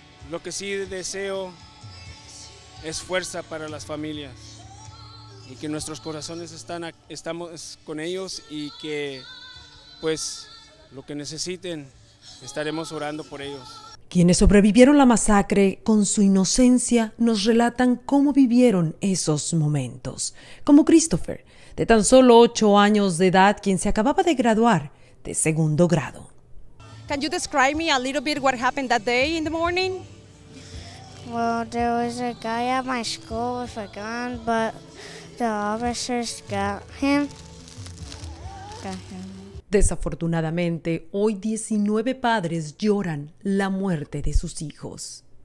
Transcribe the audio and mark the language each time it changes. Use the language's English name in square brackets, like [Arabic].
[Spanish] Lo que sí deseo es fuerza para las familias y que nuestros corazones estamos con ellos y que pues lo que necesiten estaremos orando por ellos. Quienes sobrevivieron la masacre con su inocencia nos relatan cómo vivieron esos momentos, como Christopher, de tan solo 8 años de edad, quien se acababa de graduar de segundo grado. [English] Can you describe me a little bit what happened that day in the morning? Well, there was a guy at my school with a gun, but the officers got him. [Spanish] Desafortunadamente, hoy 19 padres lloran la muerte de sus hijos.